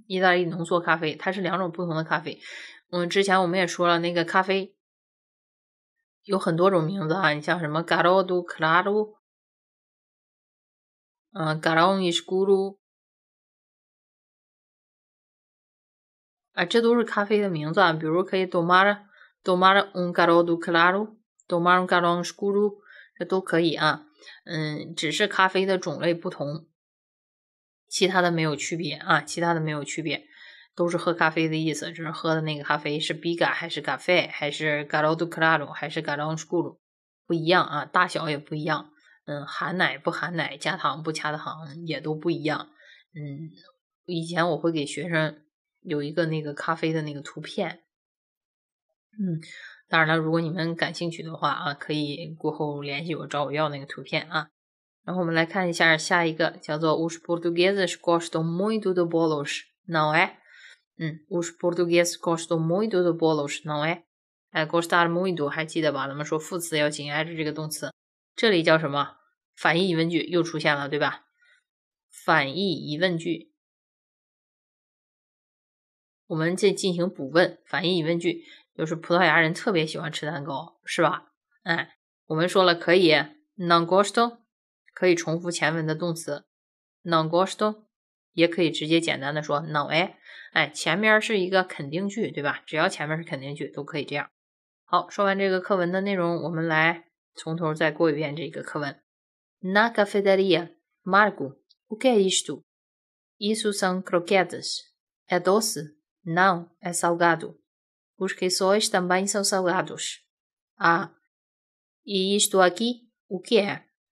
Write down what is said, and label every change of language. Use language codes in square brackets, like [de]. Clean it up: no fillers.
[zh] 意大利浓缩咖啡，它是两种不同的咖啡。嗯，之前我们也说了，那个咖啡有很多种名字啊，你像什么 Garo do Claro， Garo Escuro， 啊，这都是咖啡的名字啊。比如可以 [pt] tomar un Garo do Claro，tomar un Garo Escuro， [zh] 这都可以啊。嗯，只是咖啡的种类不同，其他的没有区别啊，其他的没有区别，都是喝咖啡的意思，就是喝的那个咖啡是 Biga 还是 Cafe 还是 Garo do Claro 还是 Garo Escuro， 不一样啊，大小也不一样，嗯，含奶不含奶，加糖不加糖也都不一样。嗯，以前我会给学生有一个那个咖啡的那个图片，嗯，当然了，如果你们感兴趣的话啊，可以过后联系我找我要那个图片啊。然后我们来看一下下一个，叫做 [pt] Os portugueses gostam muito de bolos, não é？嗯 ，Os portugueses gostam muito de bolos, não é？ [zh] 哎 ， [pt] gostar muito [zh] 还记得吧？咱们说副词要紧挨着这个动词，这里叫什么？反义疑问句又出现了，对吧？反义疑问句，我们这进行补问，反义疑问句就是葡萄牙人特别喜欢吃蛋糕，是吧？哎，我们说了可以 ， [pt] não gostam。 [zh] 可以重复前文的动词 ， [pt] não gosto， [zh] 也可以直接简单的说 [pt] não é， [zh] 哎，前面是一个肯定句，对吧？只要前面是肯定句，都可以这样。好，说完这个课文的内容，我们来从头再过一遍这个课文。 [pt] Na cafeteria, Marco, o que é isto? Isso são croquetes. É doce? Não, é salgado. Os queijos também são salgados. Ah, e isto aqui, o que é?